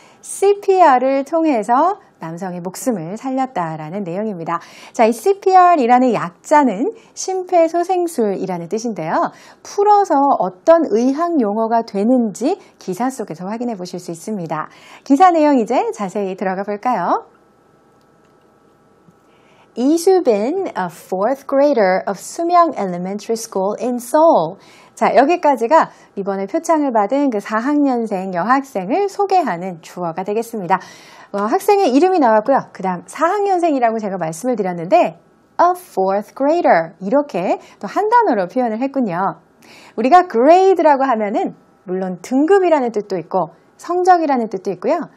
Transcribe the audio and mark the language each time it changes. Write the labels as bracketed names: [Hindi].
[Korean] CPR을 통해서 남성의 목숨을 살렸다라는 내용입니다. 자, 이 CPR이라는 약자는 심폐소생술이라는 뜻인데요. 풀어서 어떤 의학 용어가 되는지 기사 속에서 확인해 보실 수 있습니다. 기사 내용 이제 자세히 들어가 볼까요? [English] 이수빈, a fourth grader of Sumyeong Elementary School in Seoul. [Korean] 자, 여기까지가 이번에 표창을 받은 그 4학년생 여학생을 소개하는 주어가 되겠습니다. 학생의 이름이 나왔고요. 그 다음 4학년생이라고 제가 말씀을 드렸는데 [English] a fourth grader [Korean] 이렇게 또 한 단어로 표현을 했군요. 우리가 grade라고 하면은 물론 등급이라는 뜻도 있고 성적이라는 뜻도 있고요.